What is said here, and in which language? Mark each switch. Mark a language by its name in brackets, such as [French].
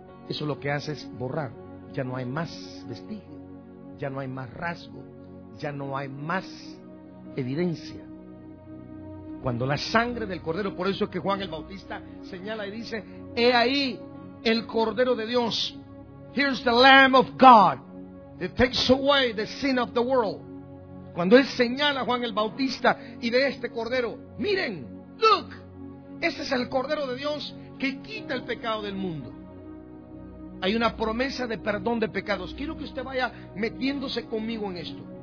[Spanish] Eso lo que hace es borrar. Ya no hay más vestigio, ya no hay más rasgo, ya no hay más evidencia. Cuando la sangre del Cordero, por eso es que Juan el Bautista señala y dice, he ahí el Cordero de Dios. [English] Here's the Lamb of God that takes away the sin of the world. [Spanish] Cuando él señala a Juan el Bautista y ve este Cordero, miren, look, ese es el Cordero de Dios que quita el pecado del mundo. Hay una promesa de perdón de pecados. Quiero que usted vaya metiéndose conmigo en esto.